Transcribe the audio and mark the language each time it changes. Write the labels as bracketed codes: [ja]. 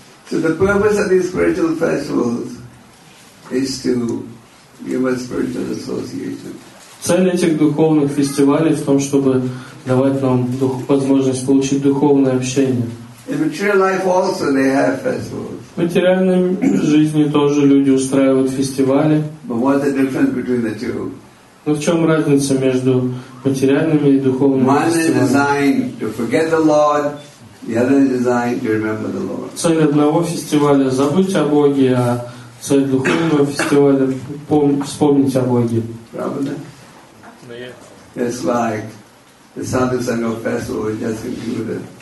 [ru] Цель этих духовных фестивалей в том, чтобы давать нам возможность получить духовное общение. [en] In material life also they have festivals. [ru] В материальной жизни тоже люди устраивают фестивали. [en] But what's the difference between the two? [ru] Но в чем разница между материальными и духовными фестивалями? [en] One is designed to forget the Lord, the other is designed to remember the Lord. [ru] Цель одного фестиваля — забыть о Боге, а цель духовного фестиваля — вспомнить о Боге. Правда? [en] It's like the Sadhu Sangha festival is just included.